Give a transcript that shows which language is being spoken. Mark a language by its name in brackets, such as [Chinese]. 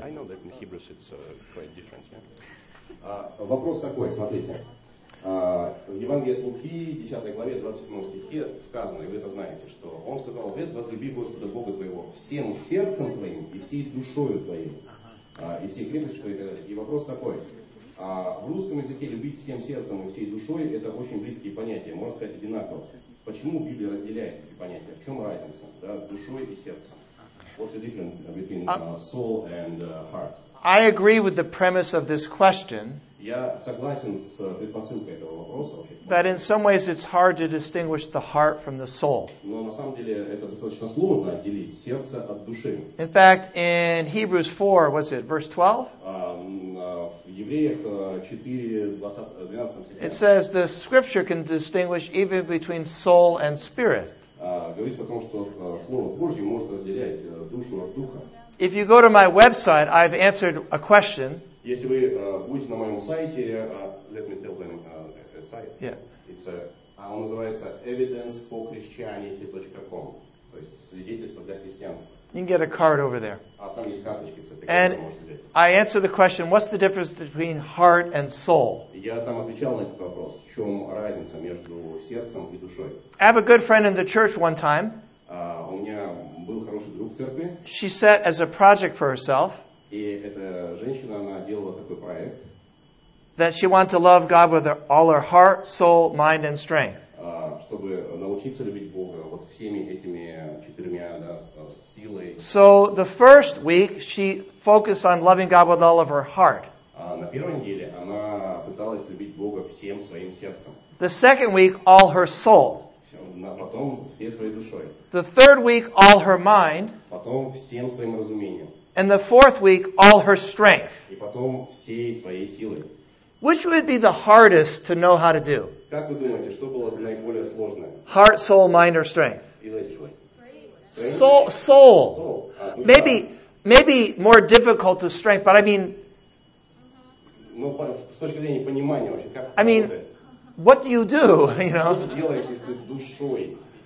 [English] I know that in Hebrews it's quite different. Yeah. [Russian] Вопрос такой, смотрите. В Евангелии от Луки, 10 главе, 27 стихе сказано, и вы это знаете, что он сказал: «Ответ, возлюби Господа Бога твоего всем сердцем твоим и всей душою твоей, и всей крепостью твоей». И вопрос такой, в русском языке «любить всем сердцем и всей душой» — это очень близкие понятия, можно сказать, одинаково. Почему Библия разделяет эти понятия? В чем разница, да, душой и сердцем? [English] What's the difference between soul and heart? I agree with the premise of this question. [Russian] Я согласен с предпосылкой этого вопроса. [English] That in some ways it's hard to distinguish the heart from the soul. [Russian] Но на самом деле это достаточно сложно отделить сердце от души. [English] In fact, in Hebrews 4, was it verse 12? [Russian] В Евреях 4:12 стихе. [English] It says the Scripture can distinguish even between soul and spirit. [Russian] Говорится о том, что слово Божье может разделять душу от духа. [English] If you go to my website, I've answered a question. [Russian] Если вы будете на моем сайте, [English] let me tell them a site. [Russian] Yeah. [English] It's [Russian] он называется evidenceforchristianity.com. То есть свидетельство для христианства. [English] You can get a card over there. [Russian] Там есть карточки, кстати, [English] and I answer the question, what's the difference between heart and soul? [Russian] Я там отвечал на этот вопрос. В чем разница между сердцем и душой? [English] I have a good friend in the church one time. [Russian] У меня был хороший друг в церкви. [English] She set as a project for herself. [Russian] И эта женщина, она делала такой проект. [English] That she wanted to love God with all her heart, soul, mind and strength. [Russian] Чтобы научиться любить Бога вот всеми этими четырьмя, да, силой. [English] So the first week she focused on loving God with all of her heart. [Russian] На первой неделе она пыталась любить Бога всем своим сердцем. [English] The second week all her soul. [Russian] Потом всей своей душой. [English] The third week all her mind. [Russian] Потом всем своим разумением. [English] And the fourth week, all her strength. [Russian] И потом всей своей силой. [English] Which would be the hardest to know how to do? [Russian] Как вы думаете, что было бы наиболее сложное? [English] Heart, soul, mind, or strength? [Russian] Из этих. [English] Soul. Maybe more difficult to strength, but I mean. [Russian] Ну, с точки зрения понимания вообще, как. [English] I mean, what do you do? You know. [Russian] Что ты делаешь, если ты душой?